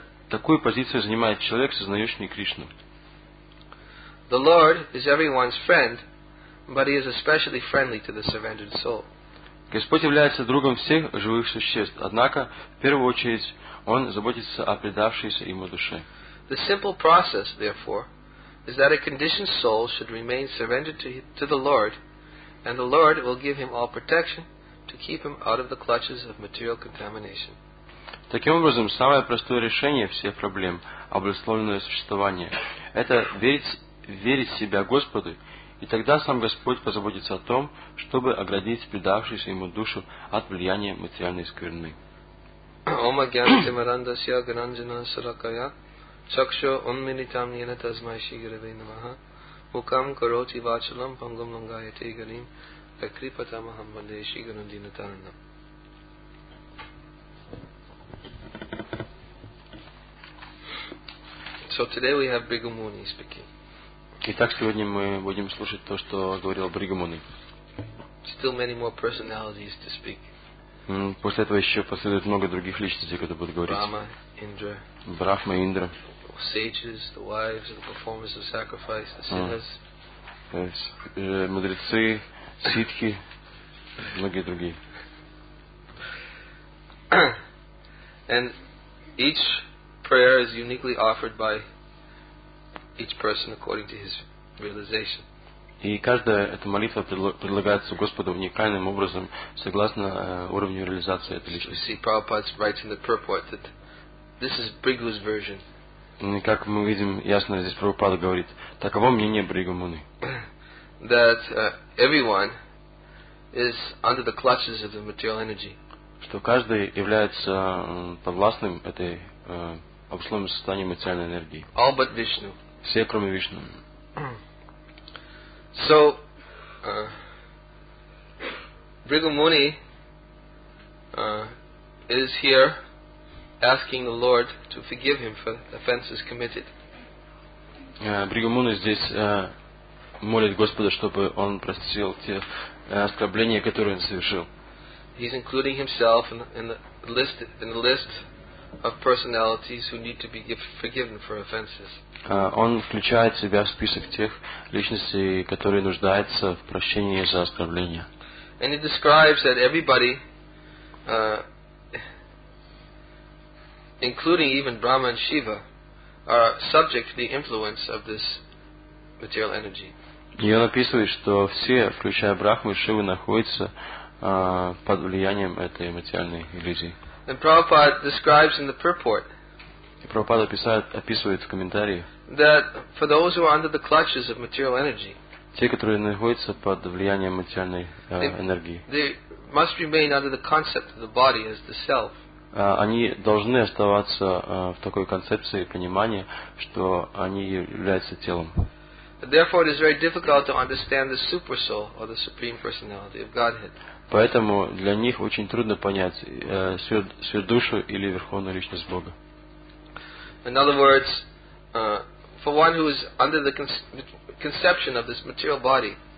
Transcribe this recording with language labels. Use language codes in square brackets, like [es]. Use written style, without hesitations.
[ru] Такую позицию занимает человек, сознающий Кришну. [en] The Lord is everyone's friend, but he is especially friendly to the surrendered soul. [ru] Господь является другом всех живых существ, однако, в первую очередь, Он заботится о предавшейся Ему душе. [en] The simple process, therefore, is that a conditioned soul should remain surrendered to the Lord, and the Lord will give him all protection to keep him out of the clutches of material contamination. [ru] Таким образом, самое простое решение всех проблем, обусловленное существование, это верить себя Господу, и тогда сам Господь позаботится о том, чтобы оградить предавшуюся Ему душу от влияния материальной скверны. [sa] Ома гьянте марандасья гананджана саракая чакшо онминитам ньена тазмай шигаравей намаха Mukam karoti vachalam pangam langayate ganim akripatamaham vandeshi ganandinatarnam. [en] So today we have Bhrigu Muni speaking. [ru] Итак, сегодня мы будем слушать то, что говорил Бригу Муни. [en] Still many more personalities to speak. [ru] После этого еще последует много других личностей, которые будут говорить. [en] Brahma, Indra. [ru] Брахма, Индра. [en] Sages, the wives, the performers of sacrifice, the sinners. [ru] Мудрецы, ситхи, многие другие. [en] And each prayer is uniquely offered by each person according to his realization. [ru] И каждая эта молитва предлагается Господу уникальным образом согласно уровню реализации этой личности. [en] See, Prabhupada writes in the purport that this is Bhrigu's version. [ru] Как мы видим, ясно здесь Прабхупада говорит, таково мнение Бригу Муни. [en] That everyone is under the clutches of the material energy. [ru] Что каждый является подвластным этой обусловленном состоянии материальной энергии. [en] All but Vishnu. [ru] Все, кроме Вишну. [en] So, Bhrigu Muni is here asking the Lord to forgive him for offenses committed. [ru] Бригу Муни здесь молит Господа, чтобы он простил те оскорбления, которые он совершил. [en] He's including himself in the list of personalities who need to be forgiven for offenses. [ru] Он включает себя в список тех личностей, которые нуждаются в прощении за оскорбления. [en] And he describes that everybody, including even Brahma and Shiva, are subject to the influence of this material energy. [ru] И он описывает, что все, включая Брахму и Шиву, находятся под влиянием этой материальной иллюзии. [en] And Prabhupada describes in the purport. [ru] И Прабхупада описывает в комментарии. [en] That for those who are under the clutches of material energy. [ru] Те, которые находятся под влиянием материальной энергии. [en] They must remain under the concept of the body as the self. [ru] Они должны оставаться в такой концепции понимания, что они являются телом. [en] Therefore, it is very difficult to understand the super soul or the supreme personality of Godhead. [ru] Поэтому для них очень трудно понять сверхдушу или верховную личность Бога. [en] In other words, for one who is under the conception of this material body.